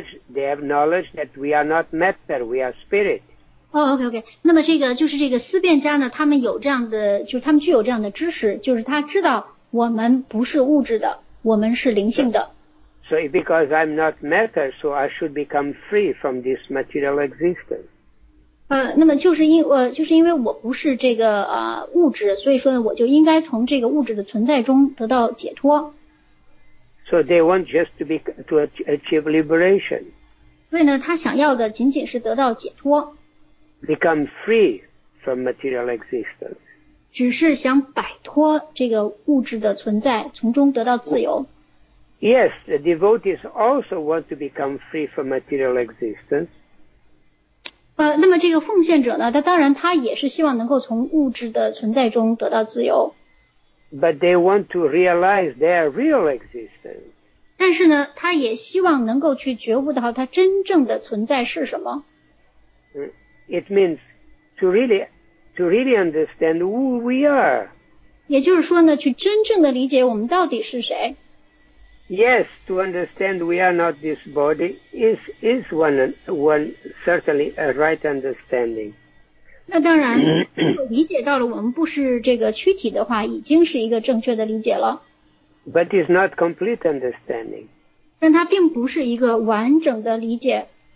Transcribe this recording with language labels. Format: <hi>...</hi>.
<en>They have knowledge that we are not matter, we are spirit. OK.</en> <zh>那么这个就是这个思辨家呢，他们有这样的，就是他们具有这样的知识，就是他知道我们不是物质的，我们是灵性的。</zh> <en>So because I'm not matter, so I should become free from this material existence.</en> <zh>那么就是因为我不是这个物质，所以说呢，我就应该从这个物质的存在中得到解脱。</zh> <en>So they want just to achieve liberation.</en> <zh>所以呢，他想要的仅仅是得到解脱。</zh> <en>Become free from material existence.</en> <zh>只是想摆脱这个物质的存在，从中得到自由。</zh> <en>Yes, the devotees also want to become free from material existence.</en> <zh>那么这个奉献者呢，他当然他也是希望能够从物质的存在中得到自由。</zh> <en>But they want to realize their real existence.</en> <zh>但是呢，他也希望能够去觉悟到他真正的存在是什么。</zh> <en>It means to really understand who we are.</en> <zh>也就是说呢，去真正的理解我们到底是谁。</zh> <en>Yes, to understand we are not this body is one certainly a right understanding.</en> <zh>那当然，理解到了我们不是这个躯体的话，已经是一个正确的理解了。</zh> <en>But it's not complete understanding.</en> <zh>但它并不是一个完整的理解。</zh>